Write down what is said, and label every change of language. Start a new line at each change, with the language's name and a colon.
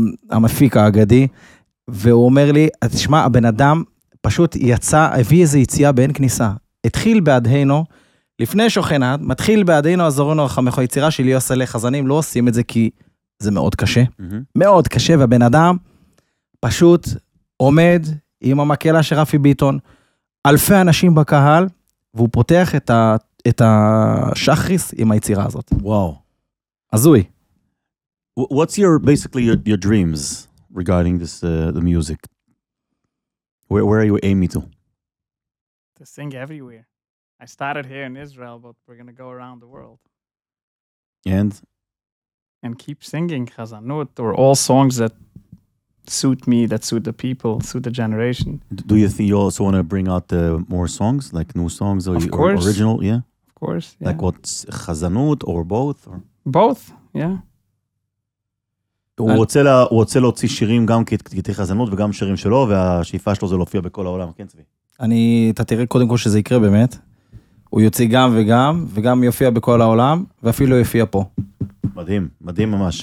Hebrew: המפיק האגדי, והוא אומר לי, תשמע, הבן אדם פשוט יצא, הביא איזה יציאה בין כניסה, התחיל בעדהנו, לפני שוכנה, מתחיל בעדהנו עזרון ורחמך, היצירה שלי עושה לחזנים, לא עושים את זה כי זה מאוד קשה, מאוד קשה, והבן אדם פשוט עומד עם המקלה של רפי ביטון, אלפי אנשים בקהל, והוא פותח את השחריס עם היצירה הזאת. וואו. עזוי.
English: What's your, basically, your dreams regarding this, the music? Where are you aiming to? To sing everywhere. I started here in Israel, but we're going to go around the world. And keep singing Chazanut or all songs that suit me, that suit the people, suit the generation. Do you think you also want to bring out more songs, like new songs or original? Yeah, of course. Yeah. Like what's Chazanut or both? Or? Both, yeah.
Hebrew: הוא רוצה להוציא שירים גם כתקי חזנות וגם שירים שלו, והשאיפה שלו זה להופיע בכל העולם, כן צבי? אני, אתה תראה קודם כל שזה יקרה באמת, הוא יוציא גם וגם, וגם יופיע בכל העולם, ואפילו יופיע פה. מדהים, מדהים ממש.